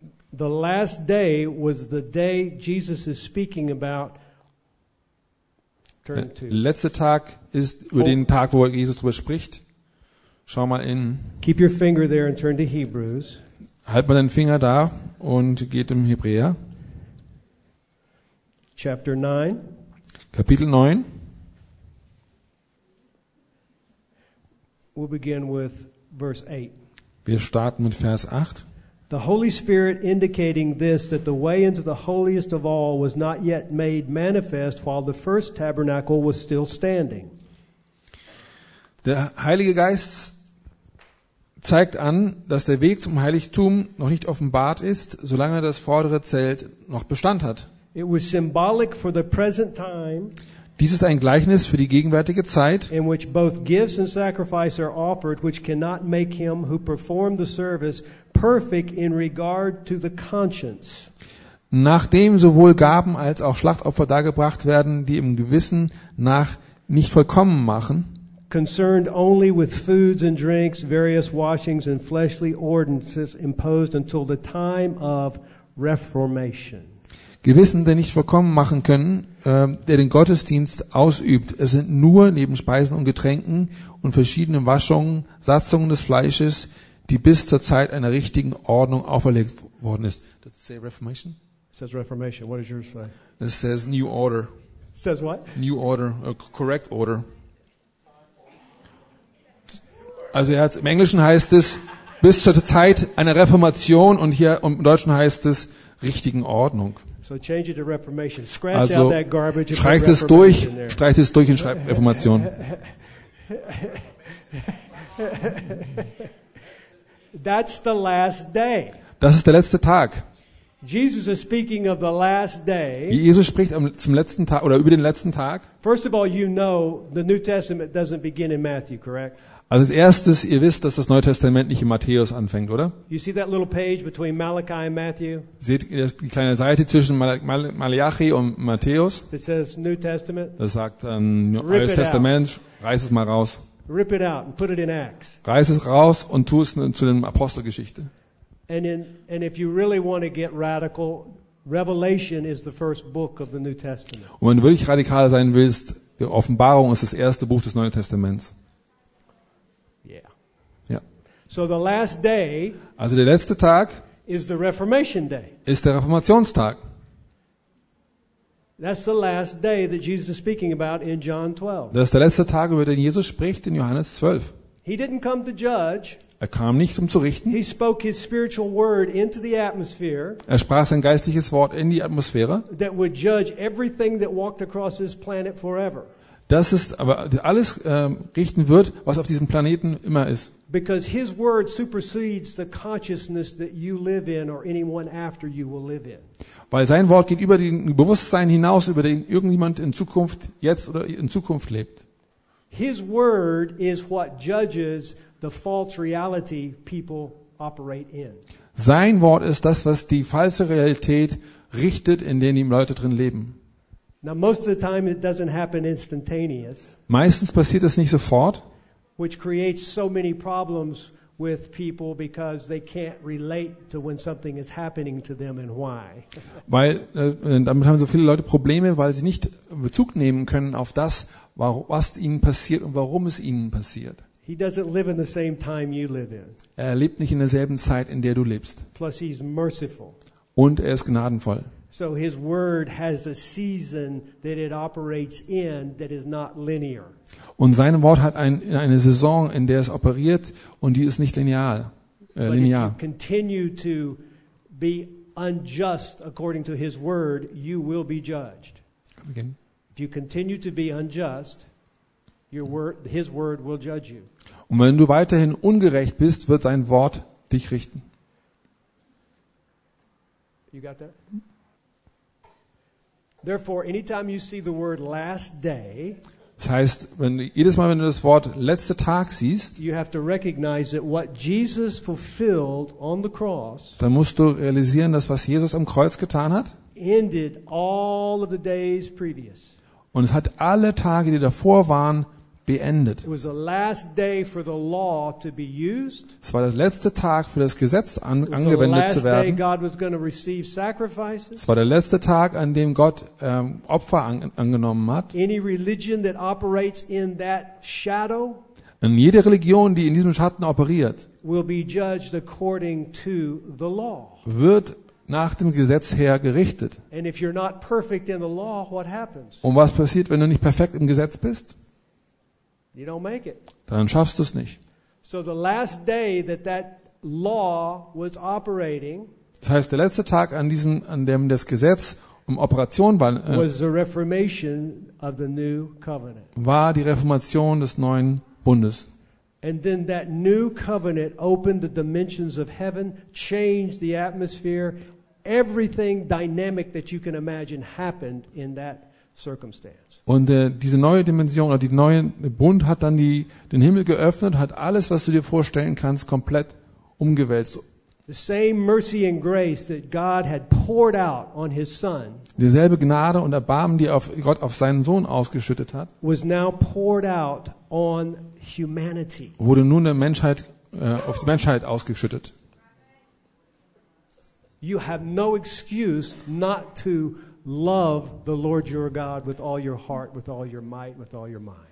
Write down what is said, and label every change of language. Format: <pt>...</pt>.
<en>The last day was the day Jesus is speaking about. Turn to.</en> <de>Letzte Tag ist über den Tag, wo Jesus drüber spricht. Schau mal in.</de> <en>Keep your finger there and turn to Hebrews.</en> <de>Halt mal deinen Finger da und geht im Hebräer.</de> <en>Chapter 9.</en> <de>Kapitel 9.</de> <en>We'll begin with verse 8.</en> <de>Wir starten mit Vers 8.</de> <en>The Holy Spirit indicating this, that the way into the holiest of all was not yet made manifest while the first tabernacle was still standing.</en> <de>Der Heilige Geist zeigt an, dass der Weg zum Heiligtum noch nicht offenbart ist, solange das vordere Zelt noch Bestand hat.</de> <en>It was symbolic for the present time.</en> <de>Dies ist ein Gleichnis für die gegenwärtige Zeit,</de> <en>in which both gifts and sacrifice are offered, which cannot make him who performed the service perfect in regard to the conscience.</en> <de>Nachdem sowohl Gaben als auch Schlachtopfer dargebracht werden, die im Gewissen nach nicht vollkommen machen,</de> <en>concerned only with foods and drinks, various washings and fleshly ordinances imposed until the time of reformation.</en> <de>Gewissen, der nicht vollkommen machen können, der den Gottesdienst ausübt. Es sind nur neben Speisen und Getränken und verschiedenen Waschungen, Satzungen des Fleisches, die bis zur Zeit einer richtigen Ordnung auferlegt worden ist.</de> <en>Does it say Reformation? It says Reformation. What does yours say? It says New Order. It says what? New Order, correct order.</en> <de>Also er hat, im Englischen heißt es, bis zur Zeit einer Reformation, und hier im Deutschen heißt es, richtigen Ordnung.</de> <en>So change it to Reformation. Scratch also out that garbage.</en> <de>Streicht es durch. Streicht es durch und schreibt Reformation.</de> <en>That's the last day.</en> <de>Das ist der letzte Tag.</de> <en>Jesus is speaking of the last day.</en> <de>Jesus spricht zum letzten Tag oder über den letzten Tag.</de> <en>First of all, you know the New Testament doesn't begin in Matthew, correct?</en> <de>Also als erstes, ihr wisst, dass das Neue Testament nicht in Matthäus anfängt, oder?</de> <en>You see that little page between Malachi and Matthew?</en> <de>Seht ihr die kleine Seite zwischen Malachi und Matthäus?</de> <en>It says New Testament.</en> <de>Das sagt Neues Testament. Reiß es mal raus.</de> <en>Rip it out and put it in Acts.</en> <de>Reiß es raus und tu es zu den Apostelgeschichte.</de> <en>And if you really want to get radical, Revelation is the first book of the New Testament.</en> <de>Und wenn du wirklich radikal sein willst, die Offenbarung ist das erste Buch des Neuen Testaments.</de> <en>So the last day,</en> <de>also der letzte Tag,</de> <en>is the Reformation day.</en> <de>Ist der Reformationstag.</de> <en>That's the last day that Jesus is speaking about in John 12.</en> <de>Das ist der letzte Tag, über den Jesus spricht in Johannes 12.</de> <en>He didn't come to judge.</en> <de>Er kam nicht, um zu richten.</de> <en>He spoke his spiritual word into the atmosphere.</en> <de>Er sprach sein geistliches Wort in die Atmosphäre.</de> <en>That would judge everything that walked across this planet forever.</en> <de>Das ist aber alles richten wird, was auf diesem Planeten immer ist.</de> <en>Because his word supersedes the consciousness that you live in or anyone after you will live in.</en> <de>Weil sein Wort geht über den Bewusstsein hinaus, über den irgendjemand in Zukunft, jetzt oder in Zukunft lebt.</de> <en>His word is what judges the false reality people operate in.</en> <de>Sein Wort ist das, was die falsche Realität richtet, in der die Leute drin leben.</de> <en>Now most of the time it doesn't happen instantaneous.</en> <de>Meistens passiert es nicht sofort.</de> <en>Which creates so many problems with people because they can't relate to when something is happening to them and why.</en> <de>Weil damit haben so viele Leute Probleme, weil sie nicht Bezug nehmen können auf das, was ihnen passiert und warum es ihnen passiert.</de> <en>He doesn't live in the same time you live in.</en> <de>Er lebt nicht in derselben Zeit, in der du lebst.</de> <en>Plus he's merciful.</en> <de>Und er ist gnadenvoll.</de> <en>So his word has a season that it operates in that is not linear.</en> <de>Und sein Wort hat eine Saison, in der es operiert, und die ist nicht linear.</de> <en>Linear. But if you continue to be unjust according to his word, you will be judged. If you continue to be unjust, his word will judge you.</en> <de>Und wenn du weiterhin ungerecht bist, wird sein Wort dich richten.</de> <en>You got that? Therefore, anytime you see the word last day,</en> <de>das heißt, jedes Mal, wenn du das Wort letzter Tag siehst,</de> <en>you have to recognize that what Jesus fulfilled on the cross,</en> <de>dann musst du realisieren, dass was Jesus am Kreuz getan hat,</de> <en>ended all of the days previous.</en> <de>Und es hat alle Tage, die davor waren, beendet.</de> <en>It was the last day for the law to be used.</en> <de>Es war der letzte Tag für das Gesetz angewendet zu werden.</de> <en>Day God was going to receive sacrifices.</en> <de>Es war der letzte Tag, an dem Gott Opfer angenommen hat.</de> <en>Any religion that operates in that shadow,</en> <de>und jede Religion, die in diesem Schatten operiert,</de> <en>will be judged according to the law.</en> <de>Wird nach dem Gesetz her gerichtet.</de> <en>And if you're not perfect in the law, what happens?</en> <de>Und was passiert, wenn du nicht perfekt im Gesetz bist?</de> <en>You don't make it.</en> <de>Dann schaffst du es nicht.</de> <en>So the last day that law was operating.</en> <de>Das heißt, der letzte Tag, an dem das Gesetz um Operation war,</de> <en>was the reformation of the new covenant.</en> <de>War die Reformation des neuen Bundes.</de> <en>And then that new covenant opened the dimensions of heaven, changed the atmosphere, everything dynamic that you can imagine happened in that circumstance.</en> <de>Und diese neue Dimension, oder die neue Bund hat dann den Himmel geöffnet, hat alles, was du dir vorstellen kannst, komplett umgewälzt.</de> <en>The same mercy and grace that God had poured out on his son.</en> <de>Dieselbe Gnade und Erbarmen, die Gott auf seinen Sohn ausgeschüttet hat,</de> <en>was now poured out on humanity.</en> <de>Wurde nun der Menschheit auf die Menschheit ausgeschüttet.</de> <en>You have no excuse not to love the Lord your God with all your heart, with all your might, with all your mind.</en>